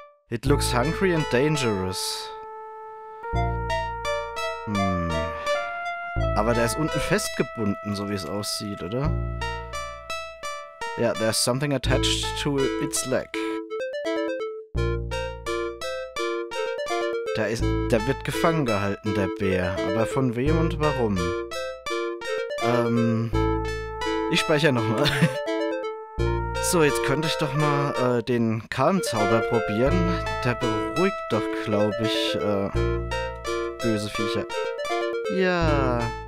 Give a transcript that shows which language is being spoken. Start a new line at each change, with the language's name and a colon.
English: It looks hungry and dangerous.
German: Aber der ist unten festgebunden, so wie es aussieht, oder?
English: Ja, yeah, there's something attached to its leg.
German: Der wird gefangen gehalten, der Bär. Aber von wem und warum? Ich speichere nochmal. So, jetzt könnte ich doch mal den Calm-Zauber probieren. Der beruhigt doch, glaube ich, böse Viecher. Ja.